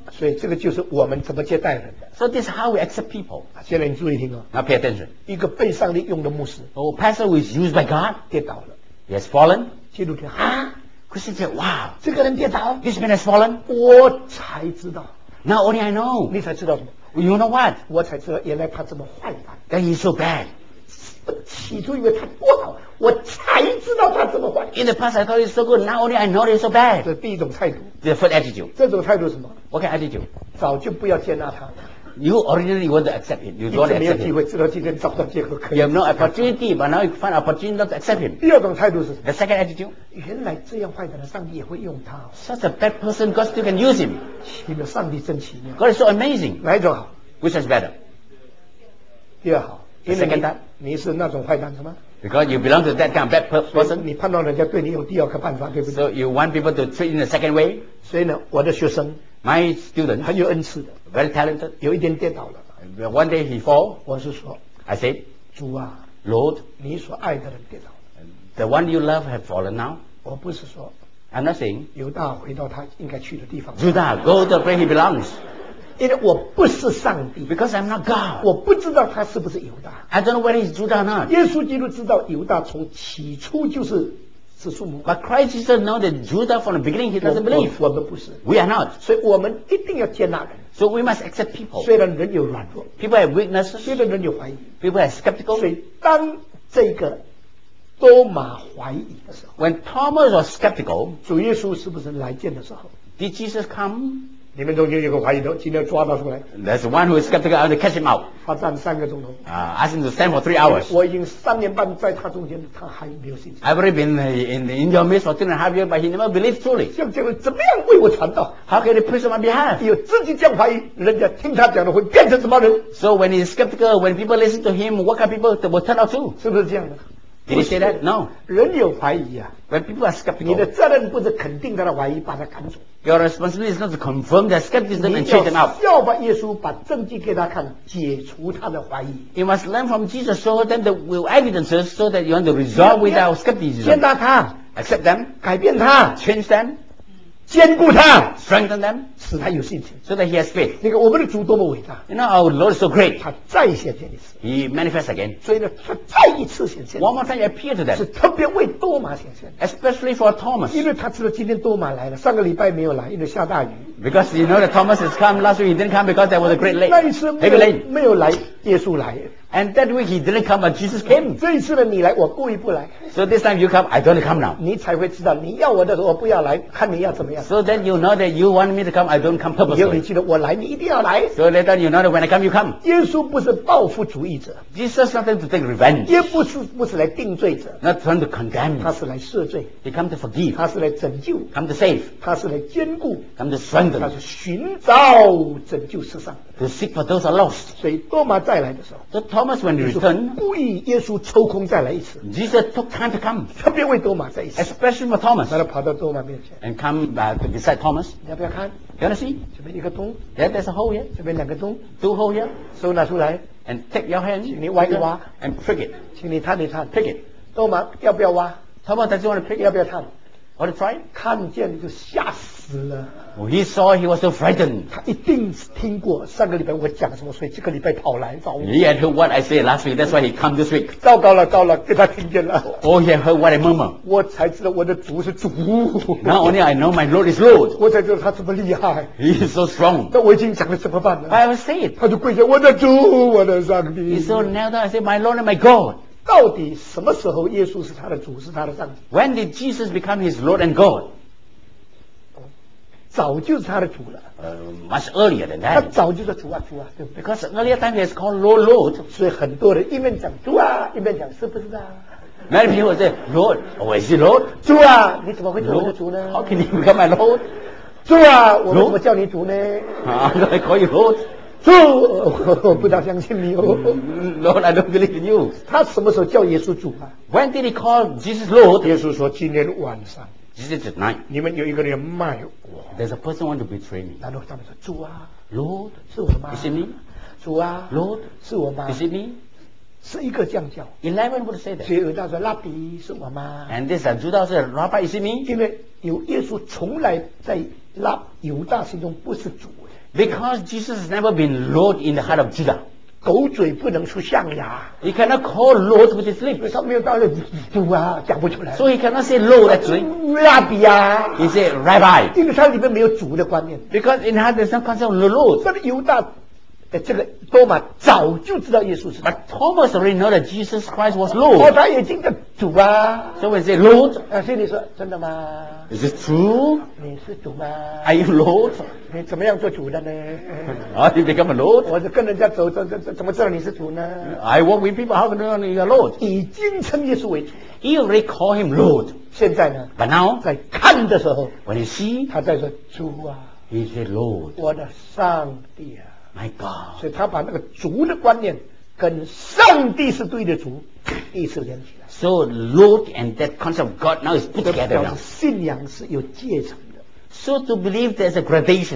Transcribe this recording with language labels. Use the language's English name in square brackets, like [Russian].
[Chinese] 所以这个就是我们怎么接待人的。 [English] So this is how we accept people. [Chinese] 现在你注意听哦。 [English] Now pay attention. [Chinese] 一个被上帝用的牧师。 [English] Oh, pastor who is used by God. [Chinese] 跌倒了。 [English] He has fallen. [Chinese] 基督徒啊 [English] ，Christian said, "Wow, [Chinese] 这个人跌倒。 [English] This man has fallen." [Chinese] 我才知道。 [English] Now only I know. [Chinese] 你才知道什么 [English] ？You know what? [Chinese] 我才知道原来他这么坏蛋。 [English] That he is so bad. [Chinese] 起初以为他不好，我才知道他这么坏。 [English] In the past, I thought he's so good. Now only I know he's so bad. [Chinese] 这第一种态度。 [English] The first attitude. [Chinese] 这种态度是什么 [English] ？What kind of attitude? [Chinese] 早就不要接纳他。 [English] You originally want to accept him. You don't accept him. [Chinese] 你没有机会，直到今天找到借口可以。 [English] You have no opportunity, but now you find opportunity not to accept him. [Chinese] 第二种态度是什么 [English] ？The second attitude. [Chinese] 原来这样坏的人，上帝也会用他。 [English] Such a bad person, God still can use him. [Chinese] 奇妙，上帝真奇妙。 [English] God is so amazing. [Chinese] 哪一种好 [English] ？Which is better? [Chinese] 第二好。 [English] The second time. [Chinese] 你是那种坏蛋是吗 [English] ？Because you belong to that kind of bad person. [Chinese] 你判断人家对你有第二个办法，对不对 [English] ？So you want people to treat in a second way. [Chinese] 所以呢，我的学生 [English] ，my student， [Chinese] 很有恩赐的 [English] ，very talented， [Chinese] 有一点跌倒了。 [English] One day he fall. [Chinese] 我是说 [English] ，I said， [Chinese] 主啊 [English] ，Lord， [Chinese] 你所爱的人跌倒了。 [English] The one you love have fallen now. [Chinese] 我不是说 [English] ，I'm not saying， [Chinese] 犹大回到他应该去的地方。 [English] Judah go to where he belongs. [Chinese] 因为我不是上帝 [English] ，Because I'm not God， [Chinese] 我不知道他是不是犹大。 [English] I don't know whether he's Judah or not。 [Chinese] 耶稣基督知道犹大从起初就是是树木。 [English] But Christ Jesus know that Judah from the beginning he doesn't believe。 [Chinese] 我们不是。 [English] We are not。 [Chinese] 所以我们一定要接纳人。 [English] So we must accept people。 [Chinese] 虽然人有软弱 [English] ，People have weaknesses。 [Chinese] 虽然人有怀疑 [English] ，People have skeptical。 [Chinese] 所以当这个多马怀疑的时候 [English] ，When Thomas was skeptical， [Chinese] 主耶稣是不是来见的时候 [English] ？Did Jesus come？ [Chinese] 你们中间有个怀疑的，今天抓他出来。 [English] There's one who is skeptical. I want to catch him out. [Chinese] 他站三个钟头。 [English] Ask him to stand for 3 hours. [Chinese] 我已经三年半在他中间，他还没有信心。 [English] I've already been in your midst for 3.5 years, but he never believed truly. [Chinese] 像这个怎么样为我传道 [English] ？How can he preach on my behalf? [Chinese] 有自己这样怀疑，人家听他讲的会变成什么人 [English] ？So when he's skeptical, when people listen to him, what kind of people will turn out to? [Chinese] 是不是这样的？ [English] Did he say that? No. [Chinese] 人有怀疑啊。 [English] When people are skeptical, [Chinese] 你的责任不是肯定他的怀疑，把他赶走。 [English] Your responsibility is not to confirm their skepticism and chase them out. [Chinese] 你要把耶稣把证据给他看，解除他的怀疑。 [English] You must learn from Jesus, show them the real evidences, so that you want to resolve without skepticism. [Chinese] 接纳他 [English] ，accept them， [Chinese] 改变他 [English] ，change them， [Chinese] 坚固他 [English] ，strengthen them， [Chinese] 使他有信心 [English] ，so that he has faith. [Chinese] 那个我们的主多么伟大 [English] ！You know our Lord is so great. [Chinese] 他再显现一次 [English] ，He manifests again. [Chinese] 所以呢，他再一次显现 [English] ，One more time appear to them. [Chinese] 是特别为多马显现 [English] ，especially for Thomas. [Chinese] 因为他知道今天多马来了，上个礼拜没有来，因为下大雨。 [English] Because you know that Thomas has come last week, he didn't come because there was a great lake. [Chinese] 那一次没有来，耶稣来。 [English] And that week he didn't come, but Jesus came. [Chinese] 这一次呢，你来，我故意不来。 [English] So this time you come, I don't come now. [Chinese] 你才会知道，你要我的，我不要来，看你要怎么样。 [English] So then you know that you want me to come, I don't come purposely. [Chinese] 你记得我来，你一定要来。 [English] So later you know that when I come, you come. [Chinese] 耶稣不是报复主义者。 [English] Jesus not to take revenge. [Chinese] 也不是来定罪者。 [English] Not trying to condemn. [Chinese] 他是来赦罪。 [English] He come to forgive. [Chinese] 他是来拯救。 [English] Come to save. [Chinese] 他是来坚固。 [English] Come to strengthen. [Chinese] 他是寻找拯救世上。 [English] To seek for those are lost. [Chinese] 所以多马再来的时候。 [English] So Thomas when he returned. [Chinese] 故意耶稣抽空再来一次。 [English] Jesus took time to come. [Chinese] 特别为多马再一次。 [English] Especially for Thomas. [Chinese] 他跑到多马面前。 [English] And come to beside Thomas. [Chinese] 你要不要看 [English] ？You wanna see? [Chinese] 这边一个洞。 [English] Yeah, there's a hole here. [Chinese] 这边两个洞。 [English] Two hole here. [Chinese] 手拿出来。 [English] And take your hand. [Chinese] 请你挖一挖。 [English] And prick it. [Chinese] 请你探一探。 [English] Prick it. [Chinese] 多马要不要挖 [English] ？Thomas, does he want to prick it? [Chinese] 要不要探 [English] ？Want to try? [Chinese] 看见就吓死了。 [English] He saw he was so frightened. [Chinese] 他一定听过上个礼拜我讲什么，所以这个礼拜跑来找我。 [English] He had heard what I said last week. That's why he come this week. [Chinese] 糟糕了，糟了，被他听见了。 [English] Oh, he heard what I murmured. [Chinese] 我才知道我的主是主。 [English] Not only I know my Lord is Lord. [Chinese] 我才知道他这么厉害。 [English] He is so strong. [Chinese] 但我已经讲了怎么办呢 [English] ？I have said. [Chinese] 他就跪下，我的主，我的上帝。 [English] He so knelt down and said, "My Lord and my God." [Chinese] 到底什么时候耶稣是他的主，是他的上帝 [English] ？When did Jesus become his Lord and God? [Chinese] 早就是他的主了。 [English] Much earlier than that. [Chinese] 他早就是主啊主啊，对不对 [English] ？Because earlier time he is called Lord Lord. [Chinese] 所以很多人一面讲主啊，一面讲是不是啊 [English] ？Many people say Lord, oh is he Lord? [Chinese] 主啊，你怎么会叫我主呢 [English] ？How can you become my Lord? [Chinese] 主啊，我怎么叫你主呢？啊，还可以 Lord。主，我不大相信你哦。 [English] Lord, I don't believe in you. [Chinese] 他什么时候叫耶稣主啊 [English] ？When did he call Jesus Lord? [Chinese] 耶稣说今天晚上。 [English] This is tonight. [Chinese] 你们有一个人卖我。 [English] There's a person want to betray me. [Chinese] 然后他们说：“主啊 [English] ，Lord， [Chinese] 是我吗 [English] ？Is it me？ [Chinese] 主啊 [English] ，Lord， [Chinese] 是我吗 [English] ？Is it me？ [Chinese] 是一个这样叫。 [English] Eleven would say that. [Chinese] 所以犹大说：“拉比，是我吗 [English] ？”And this is Judas said, "Rabbi, is it me?" [Chinese] 因为有耶稣从来在拉犹大心中不是主。 [English] Because Jesus has never been Lord in the heart of Judah. [Chinese] 狗嘴不能出象牙。 [English] He cannot call Lord with his lips. [Chinese] 他没有到了主啊，讲不出来。 [English] So he cannot say Lord at 嘴。 [Chinese] 拉比啊。 [English] He said Rabbi. [Chinese] 因为他里面没有主的观念。 [English] Because in heart there's no concept of the Lord. [Chinese] 但是犹大这个多马早就知道耶稣是。 [English] But Thomas already know that Jesus Christ was Lord. [Chinese] 哦，他已经的主啊。 [English] So we say Lord. [Chinese] 啊，所以你说真的吗 [English] ？Is it true? [Chinese] 你是主吗 [English] ？Are you Lord? [Chinese] 你怎么样做主的呢？ [English] 啊、oh, ，You become a Lord. [Chinese] 我是跟人家走，怎么知道你是主呢 [English] ？I walk with people. How can I know you are Lord? [Chinese] 已经称耶稣为主。 [English] He already call him Lord. [Chinese] 现在呢 [English] ？But now, [Chinese] 在看的时候 [English] ，When he see, [Chinese] 他在说主啊。 [English] He said Lord. [Chinese] 我的上帝啊。 [English] My God， [Chinese] 所以他把那个主的观念跟上帝是对的主，意思连起来。 [English] So Lord and that concept of God now is put together now。 [Chinese] 信仰是有阶层的。 [English] So to believe there's a gradation。